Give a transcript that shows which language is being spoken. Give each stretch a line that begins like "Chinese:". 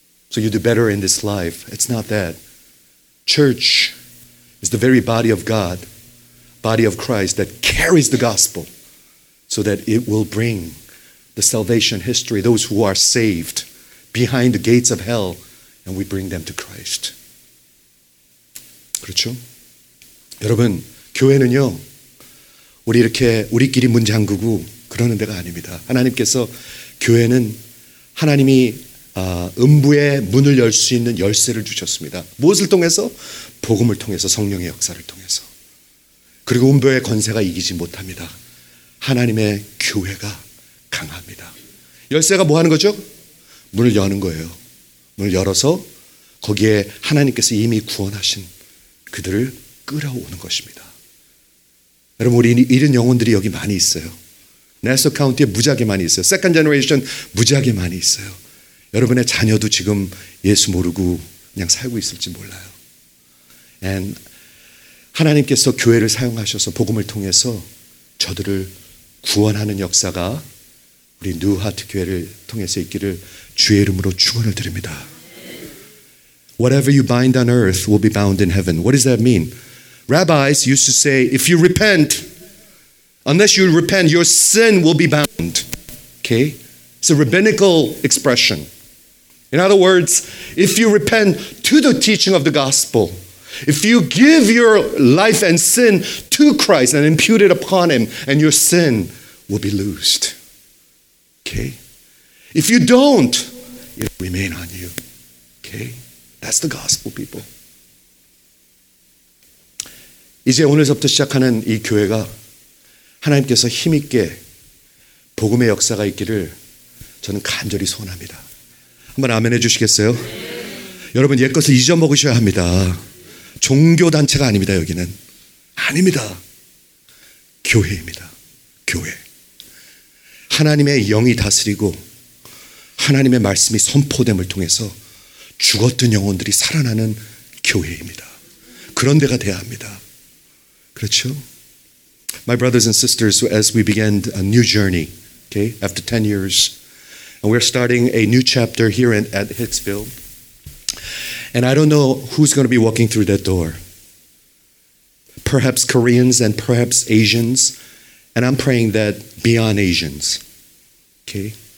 English: So you do better in this life. It's not that. Church is the very body of God, body of Christ, that carries the gospel so that it will bring the salvation history, those who are saved behind the gates of hell, and we bring them to Christ.
Korean: 그렇죠? 여러분, 교회는요, 우리 이렇게 우리끼리 문장구고 그러는 데가 아닙니다. 하나님께서 교회는 하나님이 음부의 문을 열 수 있는 열쇠를 주셨습니다. 무엇을 통해서? 복음을 통해서, 성령의 역사를 통해서. 그리고 음부의 권세가 이기지 못합니다. 하나님의 교회가 강합니다. 열쇠가 뭐 하는 거죠? 문을 여는 거예요. 문을 열어서 거기에 하나님께서 이미 구원하신 그들을 끌어오는 것입니다. 여러분, 우리 이런 영혼들이 여기 많이 있어요. 네스 카운티에 무지하게 많이 있어요.
English: 세컨 제너레이션
Korean: 무지하게 많이 있어요. 여러분의 자녀도 지금 예수 모르고 그냥 살고 있을지 몰라요.
English: And
Korean: 하나님께서 교회를 사용하셔서 복음을 통해서 저들을 구원하는 역사가 우리 뉴하트 교회를 통해서 있기를 주의 이름으로 축원을 드립니다.
English: Whatever you bind on earth will be bound in heaven. What does that mean? Rabbis used to say, if you repent, unless you repent, your sin will be bound. Okay? It's a rabbinical expression. In other words, if you repent to the teaching of the gospel, if you give your life and sin to Christ and impute it upon him, and your sin will be loosed. Okay? If you don't, it will remain on you. Okay? That's the gospel, people.
Korean: 이제 오늘서부터 시작하는 이 교회가 하나님께서 힘있게 복음의 역사가 있기를 저는 간절히 소원합니다. 한번 아멘 해주시겠어요? 여러분, 옛것을 잊어먹으셔야 합니다. 종교단체가 아닙니다, 여기는. 아닙니다. 교회입니다. 교회. 하나님의 영이 다스리고 하나님의 말씀이 선포됨을 통해서 죽었던 영혼들이 살아나는 교회입니다. 그런 데가 돼야 합니다. 그렇죠?
English: My brothers and sisters, as we begin a new journey, okay, after 10 years, and we're starting a new chapter here at Hicksville, and I don't know who's going to be walking through that door. Perhaps Koreans and perhaps Asians, and I'm praying that beyond Asians, okay?